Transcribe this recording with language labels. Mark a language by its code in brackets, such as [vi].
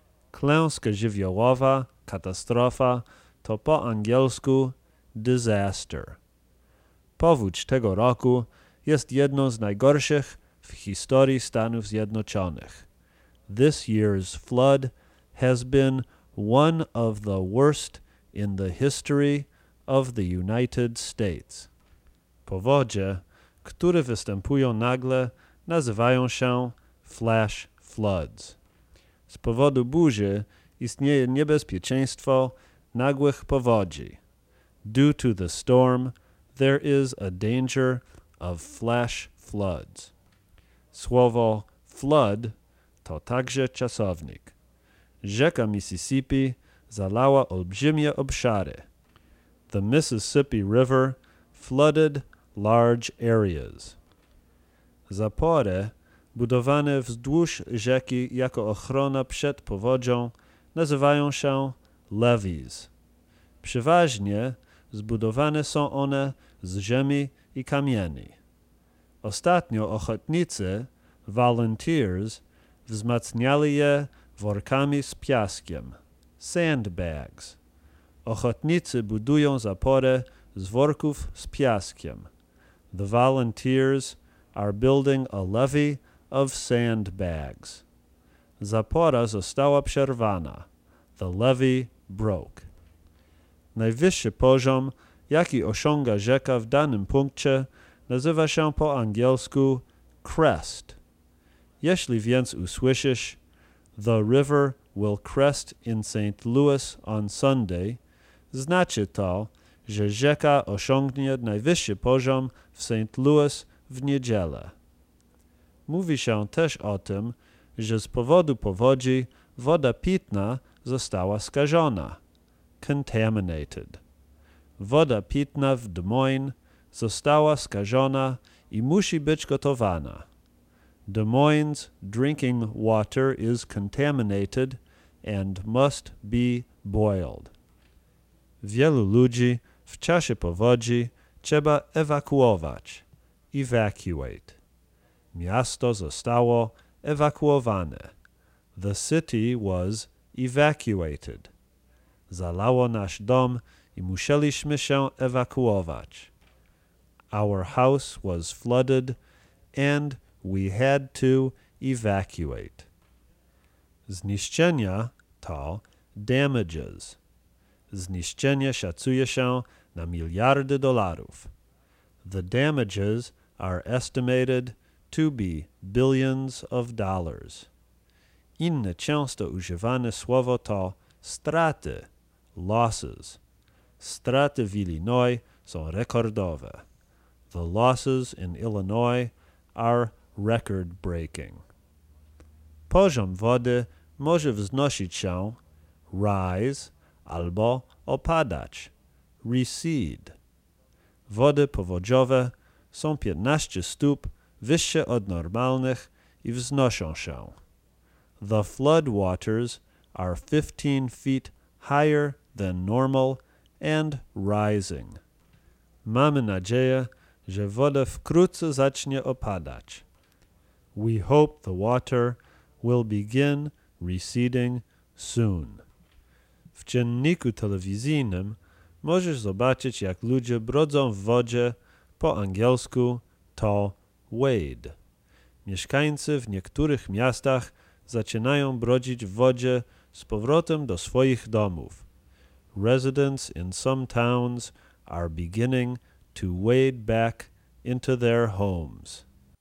[pl] Klęska żywiołowa, katastrofa, to po angielsku disaster. Powódź tego roku jest jedną z najgorszych w historii Stanów Zjednoczonych. [en] This year's flood has been one of the worst in the history of the United States. [pl] Powodzie, które występują nagle, nazywają się flash floods. Z powodu burzy istnieje niebezpieczeństwo nagłych powodzi. [en] Due to the storm, there is a danger of flash floods. [pl] Słowo flood to także czasownik. Rzeka Mississippi zalała olbrzymie obszary. [en] The Mississippi River flooded large areas. [pl] Zapory budowane wzdłuż rzeki jako ochrona przed powodzią nazywają się levees. Przeważnie zbudowane są one z ziemi i kamieni. Ostatnio ochotnicy, volunteers, wzmacniali je workami z piaskiem, sandbags. Ochotnicy budują zapory z worków z piaskiem. [en] The volunteers are building a levee of sandbags. [pl] Zapora została przerwana. [en] The levee broke. [pl] Najwyższy poziom, jaki osiąga rzeka w danym punkcie, nazywa się po angielsku crest. Jeśli więc usłyszysz [en] "The river will crest in St. Louis on Sunday", [pl] znaczy to, że rzeka osiągnie najwyższy poziom w St. Louis w niedzielę. Mówi się też o tym, że z powodu powodzi woda pitna została skażona. Contaminated. Woda pitna w Des Moines została skażona i musi być gotowana. [en] Des Moines drinking water is contaminated and must be boiled. [pl] Wielu ludzi w czasie powodzi trzeba ewakuować. Evacuate. Miasto zostało ewakuowane. [en] The city was evacuated. [pl] Zalało nasz dom i musieliśmy się ewakuować. [en] Our house was flooded and we had to evacuate. [pl] Zniszczenia to damages. Zniszczenie szacuje się na miliardy dolarów. [en] The damages are estimated to be billions of dollars. [pl] Inne często używane słowo to straty, losses. Straty w Illinois są rekordowe. [en] The losses in Illinois are record-breaking. [pl] Poziom wody może wznosić się, rise, albo opadać, recede. Wody powodziowe są 15 stóp wyższe od normalnych i wznoszą się. [en] The flood waters are 15 feet higher than normal and rising. [pl] Mamy nadzieję, że woda wkrótce zacznie opadać. [en] We hope the water will begin receding soon. [pl] W dzienniku telewizyjnym możesz zobaczyć, jak ludzie brodzą w wodzie, po angielsku to wade. Mieszkańcy w niektórych miastach zaczynają brodzić w wodzie z powrotem do swoich domów. [en] Residents in some towns are beginning to wade back into their homes.